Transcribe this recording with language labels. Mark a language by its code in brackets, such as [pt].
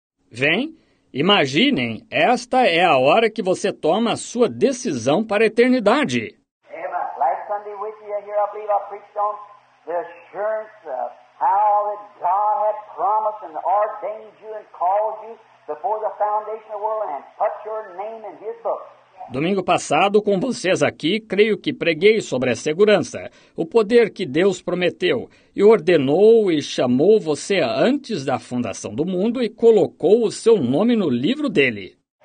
[pt] Vem, imaginem, esta é a hora que você toma a sua decisão para a eternidade. [en] Last Sunday with you, I preached on the assurance of how that God had promised and ordained you and called you before the foundation of the world and put your name in His book. [pt] Domingo passado, com vocês aqui, creio que preguei sobre a segurança, o poder que Deus prometeu e ordenou e chamou você antes da fundação do mundo e colocou o seu nome no livro dele.